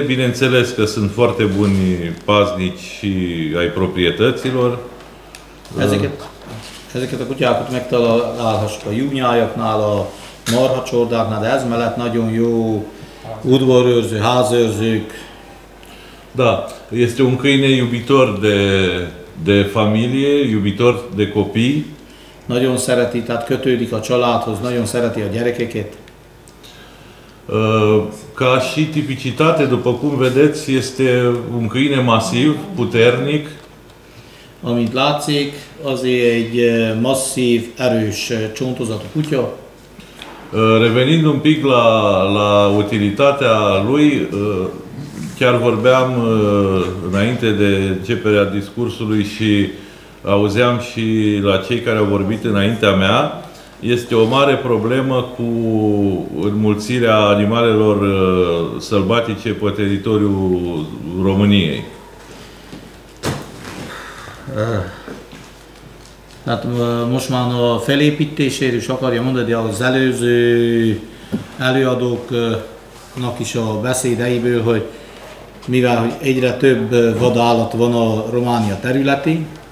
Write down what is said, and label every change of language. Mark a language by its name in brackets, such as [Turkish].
[Romanian] Bineînțeles că sunt foarte buni paznici și ai proprietăților. [Hungarian] Ezeket a kutyákat megtalálhassuk a juhnyájaknál, a marhacsordáknál, de ez mellett nagyon jó udvarőrző, házőrzők. [Romanian] Da, este un câine iubitor de familie, iubitor de copii. [Hungarian] Nagyon szereti, tehát kötődik a családhoz, nagyon szereti a gyerekeket. [Romanian] Ca și tipicitate, după cum vedeți, este un câine masiv, puternic. [Hungarian] Amint látszik, azért egy masszív, erős, csontozatú kutya. [Romanian] Revenind un pic la utilitatea lui, chiar vorbeam înainte de începerea discursului și auzeam și la cei care au vorbit înaintea mea, este o mare problemă cu înmulțirea animalelor sălbatice pe teritoriul României. [Hungarian] Hát most már a felépítéséről is akarja mondani, de az előző előadóknak is a beszédeiből, hogy mivel egyre több vadállat van a Románia területén.